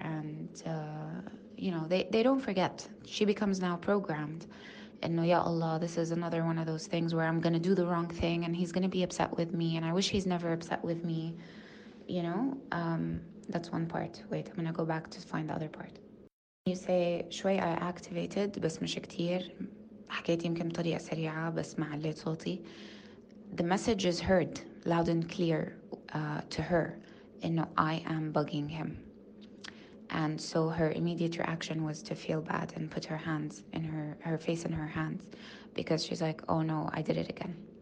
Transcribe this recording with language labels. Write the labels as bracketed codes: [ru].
[en] And, they don't forget. She becomes now programmed. And no, ya Allah, this is another one of those things where I'm going to do the wrong thing and he's going to be upset with me. And I wish he's never upset with me, you know. That's one part. Wait, I'm going to go back to find the other part. You say, [ar] شوي [en] I activated, [ar] بس مش كتير. حكيت يمكن طريقة سريعة, بس ما عليت صوتي. [en] The message is heard loud and clear to her. And no, I am bugging him. And so her immediate reaction was to feel bad and put her hands in her face in her hands, because she's like, oh no, I did it again.